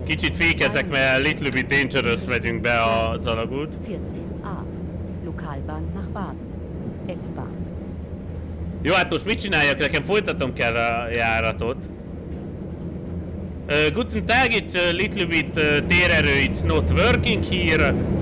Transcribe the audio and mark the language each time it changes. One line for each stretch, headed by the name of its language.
Hungarian: Kicsit fékezek, mert
English: little bit dangerous
Hungarian: megyünk be a Zalagút.
German: 14A, Lokalbahn nach Baden, S-Bahn.
Hungarian: Jó, hát most mit csináljak? Nekem folytatom kell a járatot.
German: Guten Tag,
English: it's a little bit térerő, it's not working here.